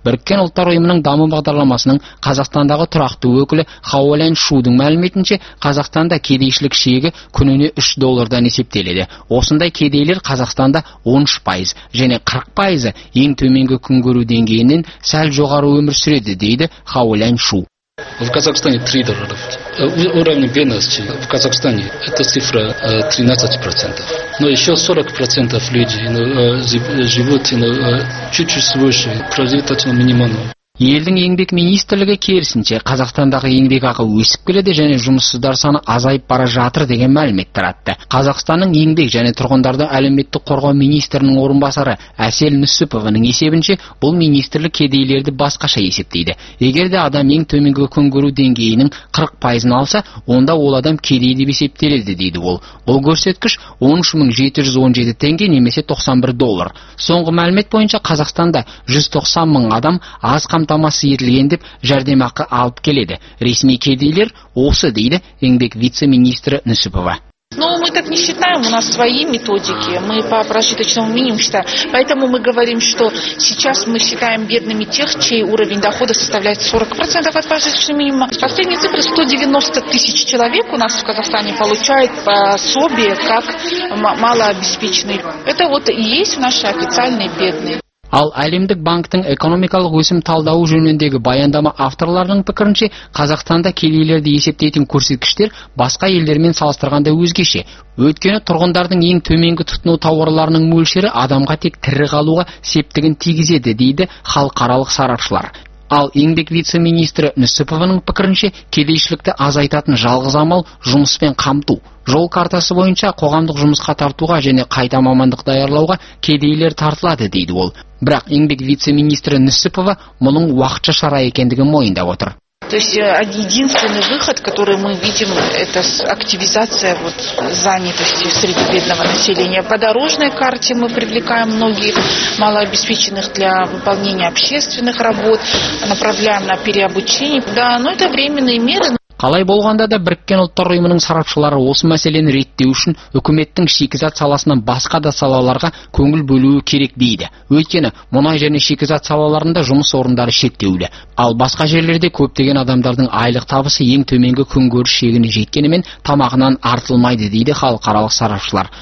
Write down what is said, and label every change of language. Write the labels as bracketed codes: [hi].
[kk] Біріккен ұлттар ұйымының даму бағдарламасының Қазақстандағы тұрақты өкілі Хаолян Шудың мәліметінше Қазақстанда кедейшілік шегі күніне 3 доллардан есептеледі. Осындай кедейлер Қазақстанда 13% және 40% ең төменгі күн көру деңгейінен сәл жоғары өмір сүреді дейді Хаолян Шу. [ru] В Казахстане 3 доллара. Уровень бедности в Казахстане это цифра 13%. Но еще 40% людей живут чуть-чуть свыше пролетарского минимума. [kk] Елдің еңбек министрлігі керісінше Қазақстандағы еңбекақы өсіп келеді және жұмыссыздар саны азайып бара жатыр деген мәлімет таратты. Қазақстанның еңбек және тұрғындарды әлеуметтік қорғау министрінің орынбасары Әсел Нүсіпованың есебінше, бұл министрлік кедейлерді басқаша есептейді. Егер де адам ең төменгі күн көру деңгейінің 40% алса, онда ол адам кедей деп есептеледі дейді ол. Бұл көрсеткіш 13.717 теңге немесе 91 доллар. Соңғы мәлімет бойынша Қазақстанда 190 мың адам аз қамтамасыз етілген деп жәрдемақы алып келеді. Ресми кедейлер осы дейді еңбек вице-министрі Нүсіпова. [ru] Но мы так не считаем, у нас свои методики, мы по прожиточному минимуму считаем. Поэтому мы говорим, что сейчас мы считаем бедными тех, чей уровень дохода составляет 40% от прожиточного минимума. Последние цифры 190 тысяч человек у нас в Казахстане получают пособие как малообеспеченные. Это вот и есть наши официальные бедные. [kk] Ал әлемдік банктің экономикалық өсім талдауы жөніндегі баяндама авторларының пікірінше, Қазақстанда кедейлерді есептейтін көрсеткіштер басқа елдермен салыстырғанда өзгеше. Өткені тұрғындардың ең төменгі тұтыну тауарларының мөлшері адамға тек тірі қалуға септігін тигізеді дейді халықаралық сарапшылар. Ал еңбек вице-министрі Нүсіпованың пікірінше, кедейшілікті азайтатын жалғыз амал жұмыспен қамту. Жол картасы бойынша қоғамдық жұмысқа тартуға және қайта мамандық даярлауға кедейлер тартылады дейді ол. Бірақ еңбек вице-министрі Нүсіпова мұның уақытша шара екендігін мойындап отыр. [ru] То есть единственный выход, который мы видим, это активизация вот занятости среди бедного населения. По дорожной карте мы привлекаем многих малообеспеченных для выполнения общественных работ, направляем на переобучение. Да, но это временные меры. [kk] Қалай болғанда да Біріккен ұлттар ұйымының сарапшылары осы мәселені реттеу үшін үкіметтің шикізат саласынан басқа да салаларға көңіл бөлуі керек дейді. Өйткені мұнай және шикізат салаларында жұмыс орындары шектеулі. Ал басқа жерлерде көптеген адамдардың айлық табысы ең төменгі күнкөріс шегіне жеткенімен тамағынан артылмайды дейді халықаралық сарапшылар.